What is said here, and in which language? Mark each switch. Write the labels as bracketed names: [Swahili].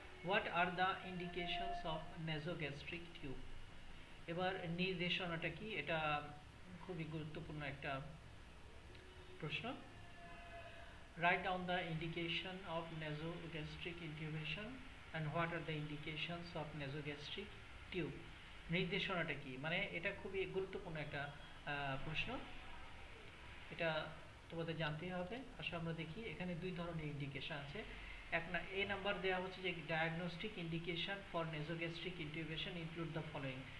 [English] What are the indications of nasogastric tube? [Bangla] এবার নির্দেশনাটা কি, এটা খুবই গুরুত্বপূর্ণ একটা প্রশ্ন। [English] Write down the indication of nasogastric intubation and what are the indications of nasogastric tube. [Bangla] নির্দেশনাটা কি, মানে এটা খুবই গুরুত্বপূর্ণ একটা প্রশ্ন, এটা তোমাদের জানতেই হবে। আসলে আমরা দেখি এখানে দুই ধরনের ইন্ডিকেশান আছে। এক না এ নাম্বার দেওয়া হচ্ছে যে [English] Diagnostic indication for nasogastric intubation include the following.